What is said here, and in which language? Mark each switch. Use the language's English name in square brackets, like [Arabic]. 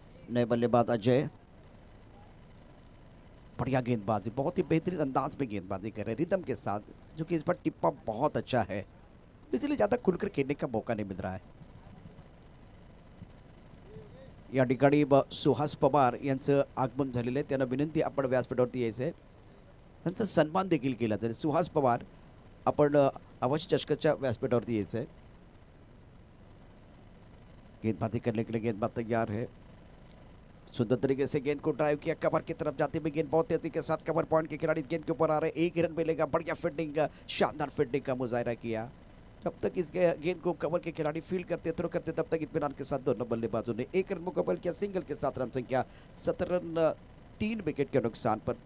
[Hindi] नए बल्लेबाज अजय, बढ़िया गेंदबाजी, बहुत ही बेहतरीन अंदाज में गेंदबाजी कर रहे हैं रिदम के साथ, जो कि इस पर टिप्पा बहुत अच्छा है, इसलिए ज्यादा खुलकर खेलने का मौका नहीं मिल रहा है। [Marathi] या ठिकाणी सुहास पवार यांचं आगमन झालेलं आहे, त्यांना विनंती आपण व्यासपीठावरती यायचं आहे, त्यांचा सन्मान देखील केला जाईल। सुहास पवार आपण आवाज चषकाच्या व्यासपीठावरती यायचं आहे। [Hindi] गेंदबाजी करने के लिए गेंदबाज तैयार है, सुंदर तरीके से गेंद को ड्राइव किया कवर की तरफ जाते हुए, गेंद बहुत तेजी के साथ कवर पॉइंट के खिलाड़ी गेंद के ऊपर आ रहे, एक रन मिलेगा, बढ़िया फील्डिंग का, शानदार फील्डिंग का मुजाहरा किया। जब तक इस गेंद को कवर के खिलाड़ी फील्ड करते थ्रो करते तब तक इत्मीनान के साथ दोनों बल्लेबाजों ने एक रन मुकम्मल किया, सिंगल के साथ रन संख्या 17 रन 3 विकेट के नुकसान पर।